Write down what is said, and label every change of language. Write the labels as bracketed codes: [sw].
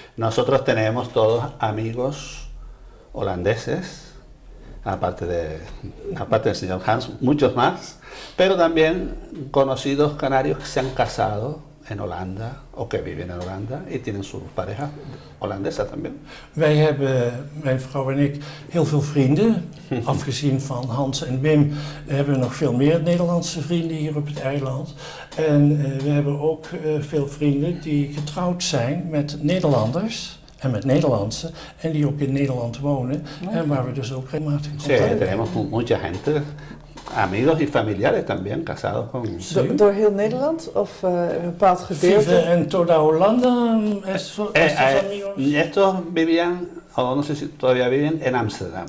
[es] Nosotros tenemos todos amigos holandeses, aparte del señor Hans, muchos más, pero también conocidos canarios que se han casado en Holanda o que viven en Holanda y tienen su pareja holandesa también. [nl] Wij hebben, mijn vrouw en ik, heel veel vrienden. Afgezien van Hans en Wim hebben we nog veel meer Nederlandse vrienden hier op het eiland. En we hebben ook veel vrienden die getrouwd zijn met Nederlanders en met Nederlandse en die ook in Nederland wonen en waar we dus ook regelmatig contact hebben. [es] Sí, tenemos mucha gente. Amigos y familiares también casados con... [nl] ¿Door heel Nederland of een bepaald gedeelte? [es] ¿Vive en toda Holanda estos amigos? Estos vivían oh, no sé si todavía viven en Amsterdam.